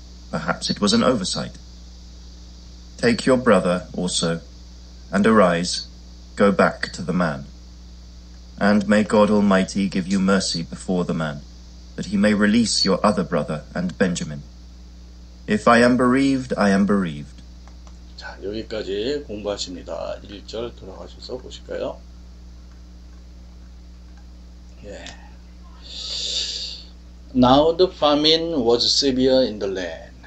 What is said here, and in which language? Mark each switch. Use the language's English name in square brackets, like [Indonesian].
[English] Perhaps it was an oversight. Take your brother also, and arise, go back to the man. And may God Almighty give you mercy before the man, that he may release your other brother and Benjamin. If I am bereaved, I am bereaved. [Korean] 자, 여기까지 공부하십니다. 1절 돌아가셔서 보실까요? 예. [English] Now the famine was severe in the land.